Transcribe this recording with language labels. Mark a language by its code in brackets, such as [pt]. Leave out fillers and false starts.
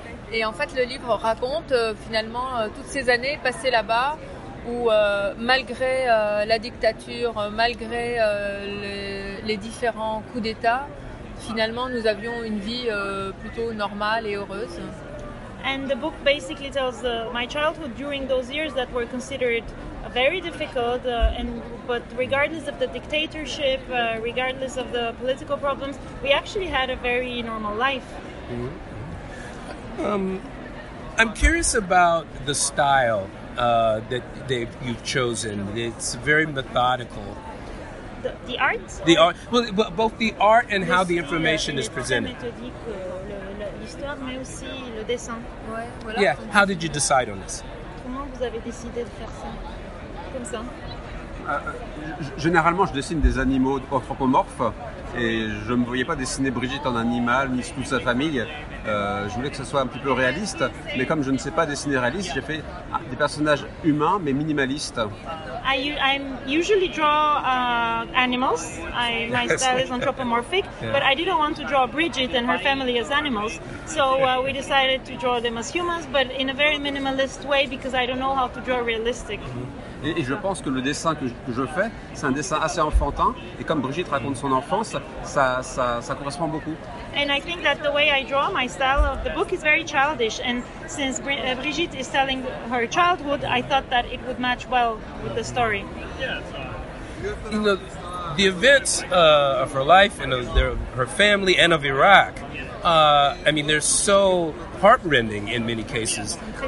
[fr] Et en fait, le livre raconte finalement toutes ces années passées là-bas, où malgré la dictature, malgré les différents coups d'État. Finalement, nous avions une vie plutôt normale et heureuse. [en] And the book basically tells my childhood during those years that were considered very difficult. But regardless of the dictatorship, regardless of the political problems, we actually had a very normal life. Mm-hmm. I'm curious about the style you've chosen. It's very methodical. The art? The art. Well, both the art and how the information is presented. [fr] Le, l'histoire, mais aussi le dessin. Ouais, voilà. [en] Yeah, how did you decide on this? [fr] Comment vous avez décidé de faire ça? Comme ça? Généralement, je dessine des animaux anthropomorphes et je ne me voyais pas dessiner Brigitte en animal ni toute sa famille. Je voulais que ce soit un petit peu réaliste, mais comme je ne sais pas dessiner réaliste, j'ai fait des personnages humains mais minimalistes. [en] I usually draw animals. My style is anthropomorphic, but I didn't want to draw Brigitte and her family as animals. So we decided to draw them as humans, but in a very minimalist way because I don't know how to draw realistic. [fr] Et je pense que le dessin que je fais, c'est un dessin assez enfantin, et comme Brigitte raconte son enfance, ça correspond beaucoup. [en] And I think that the way I draw, my style of the book is very childish, and since Brigitte is telling her childhood, I thought that it would match well with the story. You know, the events of her life and of her family and of Iraq, I mean, they're so heartrending in many cases.